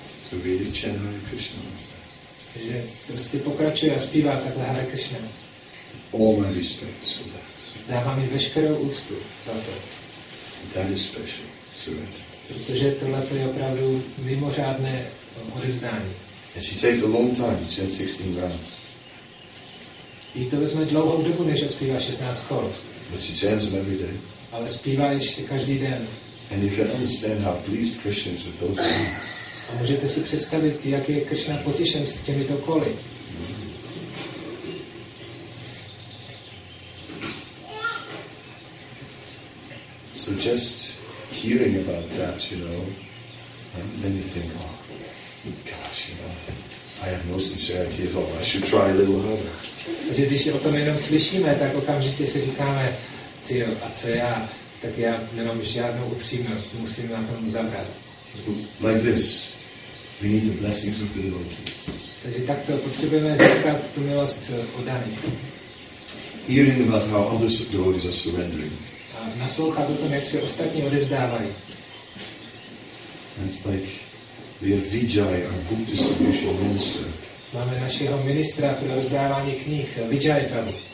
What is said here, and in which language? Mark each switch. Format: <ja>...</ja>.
<en>To really chant Hare Krishna.</en> <cs>Že prostě pokračuje a zpívá takhle Hare Krishna.</cs> <en>All my respects for that.</en> <cs>Dávám jí veškerou úctu za to.</cs> <en>That is special surrender.</en> <cs>Protože tohleto je opravdu mimořádné odevzdání.</cs> <en>And she takes a long time, she chants 16 rounds.</en> <cs>Jí to vezme dlouhou dobu, než odspívá 16 kol.</cs> <en>But she chants them every day.</en> <cs>Ale zpívá ještě každý den.</cs> <en>And you can understand how pleased Krishna is with those rounds.</en> <cs>A můžete si představit, jak je Krishna potěšen s těmito koly.</cs> <en>So just hearing about that, you know, and then you think, oh, gosh, you know, I have no sincerity at all. I should try a little harder.</en> <cs>Takže když o tom jenom slyšíme, tak okamžitě si říkáme, tyjo, a co já? Tak já nemám žádnou upřímnost, musím na tom zabrat.</cs> <en>Like this, we need the blessings of the devotees.</en> <cs>Takže takto potřebujeme získat tu milost od Dany.</cs> <en>Hearing about how others of the devotees are surrendering.</en> <cs>Naslouchat o tom, jak se ostatní odevzdávají.</cs> <en>It's like we have Vijay, our book distribution minister.</en> <cs>Máme našeho ministra pro rozdávání knih, Vijay Prabhu.</cs>